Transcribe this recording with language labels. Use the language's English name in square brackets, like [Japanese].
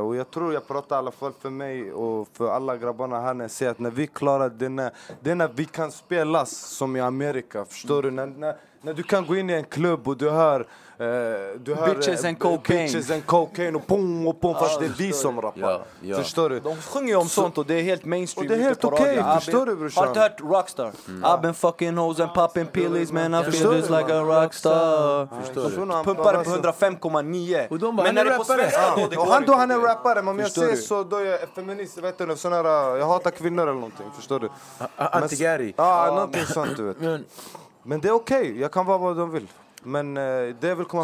[Swedish] och jag tror jag pratar i alla fall för mig och för alla grabbarna här när jag säger att när vi klarar det är när vi kan spelas som i Amerika. Förstår du? När du kan gå in i en klubb och du hör [English] bitches and cocaine. Bitches and cocaine [Swedish] och pum, fast det är vi som rappar. Ja. Förstår du? De sjunger om sånt och det är helt mainstream. Och det är helt okej, okay, förstår du, brorsan? Har du hört Rockstar? Mm. [English] I've been fucking hoes and popping pillies, man. I feel just like a rockstar. [Swedish] Förstår du? Pumpar på 105,9. Och de bara, men är rappare. Och han då, han är rappare. Men om jag ser så då är jag feminist, vet du. Sån här, jag hatar kvinnor eller någonting, förstår du? Antigari. Ja, någonting sånt, du vet. Men det är okej, okay. Jag kan vara vad de vill. Men det jag vill komma